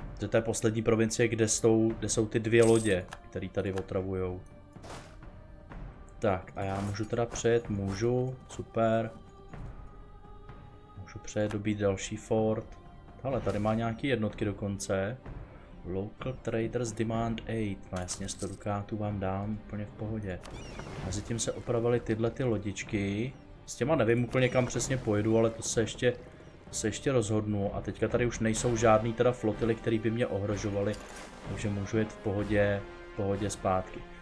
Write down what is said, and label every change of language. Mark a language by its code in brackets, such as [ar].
[cs] To je poslední provincie, kde jsou ty dvě lodě, které tady otravujou. Tak, a já můžu teda přejet, můžu, super. Můžu přejet dobít další fort. Ale tady má nějaké jednotky dokonce. [en] Local traders demand aid. [cs] No jasně, 100 dukátů vám dám, úplně v pohodě. Mezitím se opravily tyhle ty lodičky. S těma nevím úplně kam přesně pojedu, ale to se ještě rozhodnu a teďka tady už nejsou žádný teda flotily, které by mě ohrožovaly, takže můžu jet v pohodě zpátky.